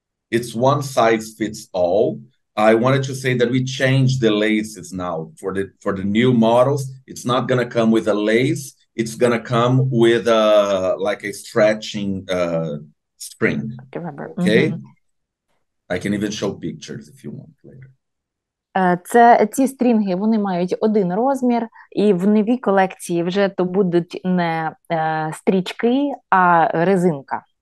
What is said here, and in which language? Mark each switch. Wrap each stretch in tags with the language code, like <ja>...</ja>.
<en>It's one size fits all. I wanted to say that we changed the laces now for the new models. It's not going to come with a lace. It's going to come with a like a stretching spring. Okay? Mm-hmm. I can even show pictures if you want later.</en> <uk>Ці стрінги, вони мають один розмір, і в новій колекції вже то будуть не стрічки, а резинка.</uk>